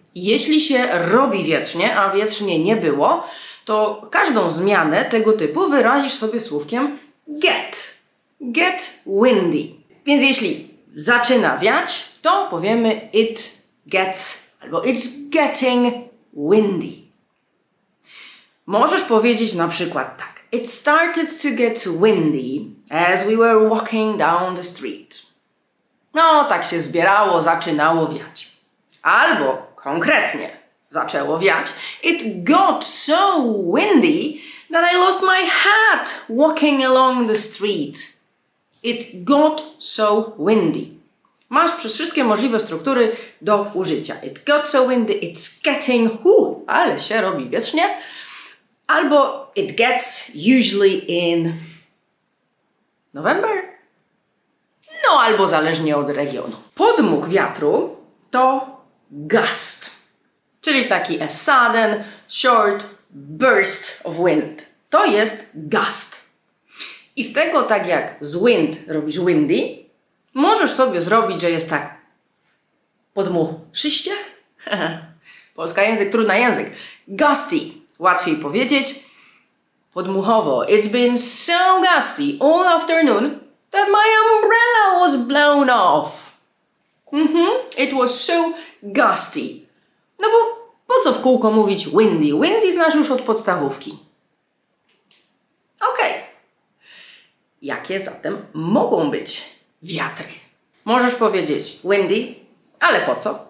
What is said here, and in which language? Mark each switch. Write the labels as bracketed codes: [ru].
[pl] Jeśli się robi wietrznie, a wietrznie nie było, to każdą zmianę tego typu wyrazisz sobie słówkiem get. [en] Get windy. [pl] Więc jeśli zaczyna wiać, to powiemy [en] it gets, [pl] albo [en] it's getting windy. [pl] Możesz powiedzieć na przykład tak. [en] It started to get windy as we were walking down the street. [pl] No, tak się zbierało, zaczynało wiać. Albo konkretnie zaczęło wiać. [en] It got so windy that I lost my hat walking along the street. It got so windy. [pl] Masz przez wszystkie możliwe struktury do użycia. [en] It got so windy, it's getting, [pl] ale się robi wiecznie. Albo [en] it gets usually in November. [pl] No albo zależnie od regionu. Podmuch wiatru to gust. Czyli taki [en] a sudden, short burst of wind. [pl] To jest gust. I z tego, tak jak z wind robisz windy, możesz sobie zrobić, że jest tak podmuchszyście. Polska język, trudna język. Gusty, łatwiej powiedzieć. Podmuchowo. [en] It's been so gusty all afternoon that my umbrella was blown off. It was so gusty. [pl] No bo po co w kółko mówić windy? Windy znasz już od podstawówki. Okej. Okay. Jakie zatem mogą być wiatry? Możesz powiedzieć windy, ale po co?